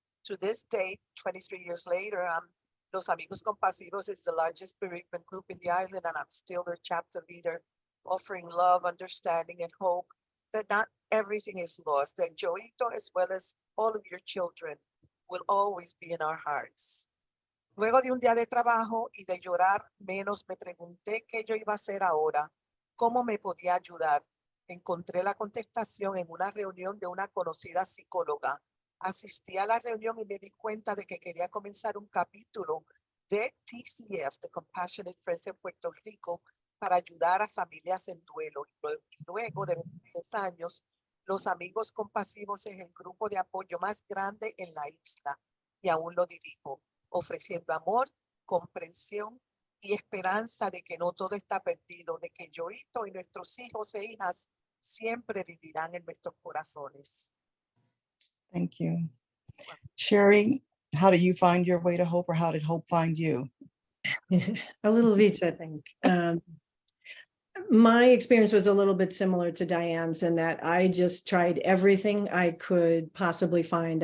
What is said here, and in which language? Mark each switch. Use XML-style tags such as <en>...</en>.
<en>To this day, 23 years later, Los Amigos Compasivos is the largest bereavement group in the island, and I'm still their chapter leader, offering love, understanding, and hope that not everything is lost, that Joito, as well as all of your children, will always be in our hearts.</en> <es>Luego de un día de trabajo y de llorar menos, me pregunté qué yo iba a hacer ahora, cómo me podía ayudar. Encontré la contestación en una reunión de una conocida psicóloga. Asistí a la reunión y me di cuenta de que quería comenzar un capítulo de TCF, The Compassionate Friends en Puerto Rico, para ayudar a familias en duelo. Luego de 23 años, Los Amigos Compasivos es el grupo de apoyo más grande en la isla y aún lo dirijo, ofreciendo amor, comprensión y esperanza de que no todo está perdido, de que Joito y nuestros hijos e hijas siempre vivirán en nuestros corazones.</es> <en>Thank you. Shari, how do you find your way to hope, or how did hope find you? A little of each, I think. My experience was a little bit similar to Diane's in that I just tried everything I could possibly find.</en>